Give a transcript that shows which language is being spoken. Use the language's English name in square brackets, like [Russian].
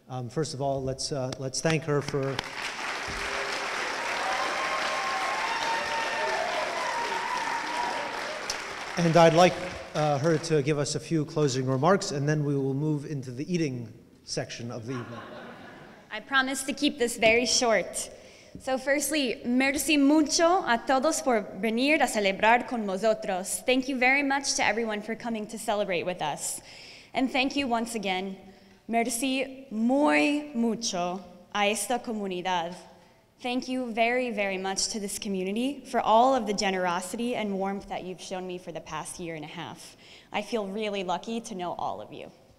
[English] First of all, let's thank her for and I'd like her to give us a few closing remarks, and then we will move into the eating section of the evening. I promise to keep this very short. So firstly, [Ladino] merci mucho a todos por venir a celebrar con nosotros. [English] Thank you very much to everyone for coming to celebrate with us. And thank you once again. [Ladino] Merci muy mucho a esta comunidad. [English] Thank you very, very much to this community for all of the generosity and warmth that you've shown me for the past year and a half. I feel really lucky to know all of you.